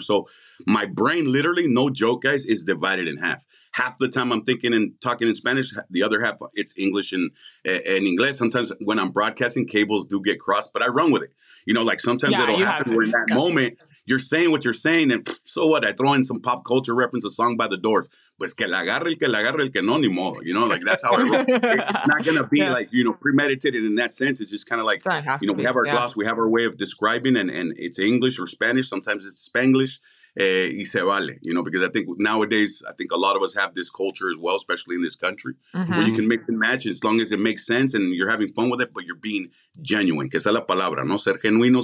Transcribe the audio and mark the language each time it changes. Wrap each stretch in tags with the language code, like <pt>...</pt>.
<en>So my brain literally, no joke, guys, is divided in half. Half the time I'm thinking and talking in Spanish, the other half it's English and English. Sometimes when I'm broadcasting, cables do get crossed, but I run with it. You know, like sometimes it'll happen where in that moment, you're saying what you're saying, and so what? I throw in some pop culture reference, a song by the Doors.</en> <es>pues que la agarre el que la agarre el que no, ni modo.</es> <en>You know, like that's how it works. It's not going to be like, you know, premeditated in that sense. It's just kind of like, you know, we have our gloss, we have our way of describing, and it's English or Spanish. Sometimes it's Spanglish.</en> <es>Y se vale,</es> <en>you know, because I think nowadays, I think a lot of us have this culture as well, especially in this country, where you can mix and match as long as it makes sense and you're having fun with it, but you're being genuine.</en> <es>Que esa la palabra, no ser genuinos.</es>